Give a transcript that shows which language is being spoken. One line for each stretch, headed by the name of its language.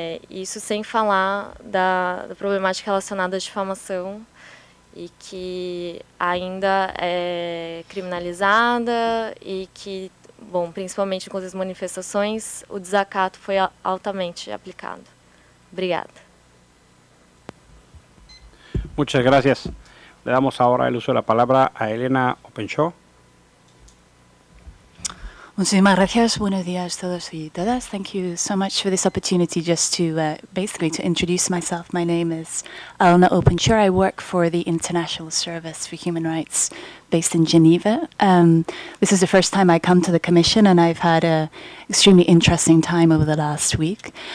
Portuguese: Isso sem falar da problemática relacionada à difamação e que ainda é criminalizada e que, bom, principalmente com as manifestações, o desacato foi altamente aplicado. Obrigada.
Spanish: Muchas gracias. Le damos ahora el uso de la palabra a Elena Openshaw. Muchísimas gracias. Buenos días a todos y todas.
English: Thank you so much for this opportunity just to basically to introduce myself. My name is Elena Openshaw. I work for the International Service for Human Rights based in Geneva. This is the first time I come to the Commission, and I've had an extremely interesting time over the last week.